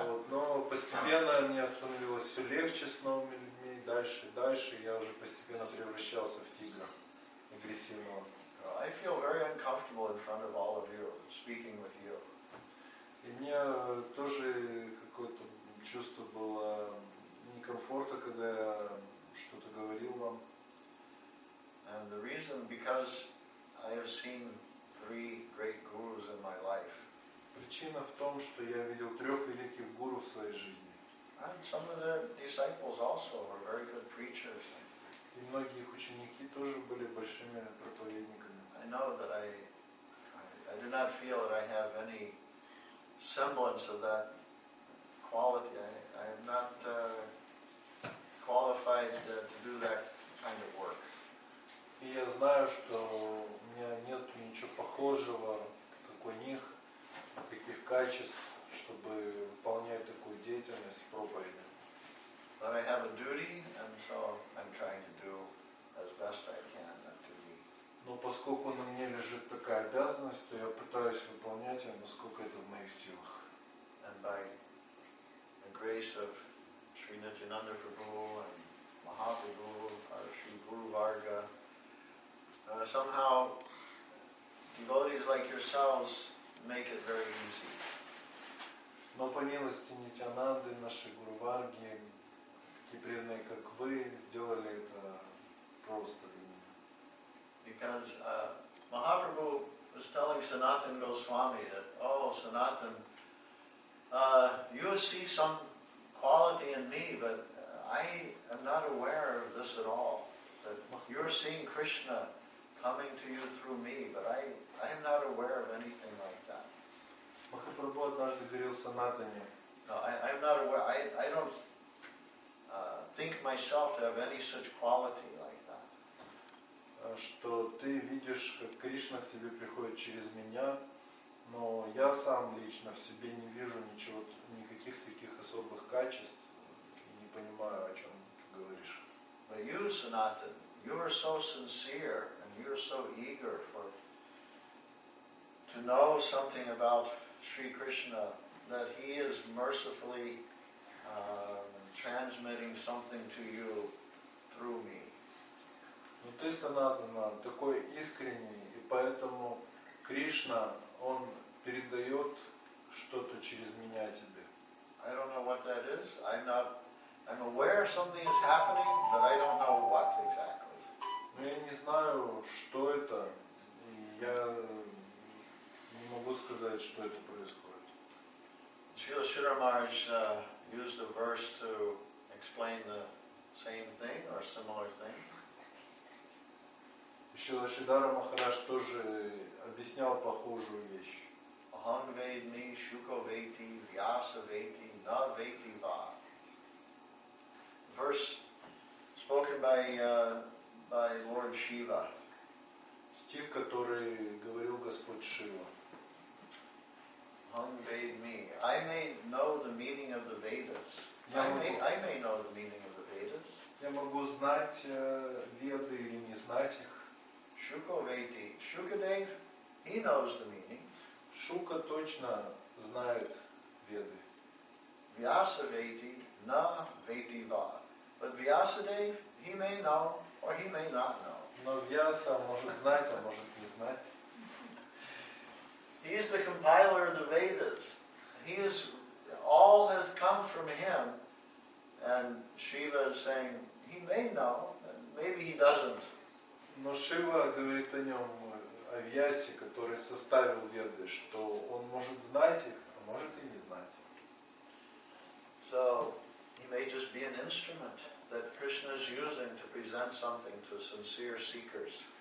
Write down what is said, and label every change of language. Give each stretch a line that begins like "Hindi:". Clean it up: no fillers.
Russian: Но постепенно мне становилось все легче с новыми людьми, дальше, я уже постепенно превращался в тигра, агрессивного.
English: I feel very uncomfortable in front of all of you, speaking with you.
Russian: И мне тоже какое-то чувство было некомфорта, когда я что-то говорил вам.
English: And the reason, because I have seen three great gurus in my life.
Russian: Причина в том, что я видел трех великих гуру в своей жизни.
English: And some of the disciples also were very good preachers.
Russian: И многие их ученики тоже были большими проповедниками.
English: I know that I do not feel that I have any semblance of that quality. I am not qualified to do that kind of work.
Russian: И я знаю, что у меня нет ничего похожего, как у них, таких качеств, чтобы выполнять такую деятельность проповедника.
English: But I have a duty, and so I'm trying to do as best I can that duty.
Russian: Но поскольку на мне лежит такая обязанность, то я пытаюсь выполнять ее, насколько это в моих силах.
English: And by the grace of Sri Nityananda Prabhu and Mahaprabhu, or Sri Guru Varga, somehow devotees like yourselves make it very easy.
Russian: Но по милости Нитянанды, нашей Гуру Варги, такие преданные, как вы, сделали это просто для меня.
English: Because Mahaprabhu was telling Sanatan Goswami that, oh, Sanatan, you see some quality in me, but I am not aware of this at all. That you're seeing Krishna coming to you through me, but I am not aware of anything like that.
Russian: Mahaprabhu однажды говорил Санатане.
English: No, I'm not aware. I don't think myself to have any such quality like that.
Russian: Что ты видишь, как Кришна к тебе приходит через меня, но я сам лично в себе не вижу ничего, никаких таких особых качеств, и не понимаю, о чем ты говоришь.
English: But you, Sanatan, you are so sincere and you are so eager for to know something about Sri Krishna that he is mercifully transmitting something to you through me.
Russian: Но ты, Санатана, такой искренний, и поэтому Кришна, он передает что-то через меня тебе.
English: I don't know what that is. I'm aware something is happening, but I don't know what exactly.
Russian: Но я не знаю, что это, и я не могу сказать, что это происходит.
English: Srila Sridhar Maharaj used a verse to explain the same thing or similar thing.
Russian: Srila Sridhar Maharaj тоже объяснял похожую вещь.
Sanskrit: Aham vedmi, shuko veti, vyasa veti, na veti va.
English: Verse spoken by Lord Shiva.
Russian: Стих, который говорил Господь Шива. Hung bade me.
English: I may know the meaning of the Vedas. I may know the meaning of the Vedas.
Russian: Я могу знать Веды или не знать их.
Sanskrit: Shukaveti.
English: Shukadev, he knows the meaning.
Russian: Shuka точно знает Веды.
Sanskrit: Vyasaveti, na veti va.
English: But Vyasadev, he may know Or he may not know.
Russian: Но Вьяса может знать, а может не знать.
English: He is the compiler of the Vedas. He is, all has come from him. And Shiva is saying, he may know, and maybe he doesn't.
Russian: Но Шива говорит о нем, о Вьясе, который составил Веды, что он может знать их, а может и не знать.
English: So, he may just be an instrument that Krishna is using to present something to sincere seekers.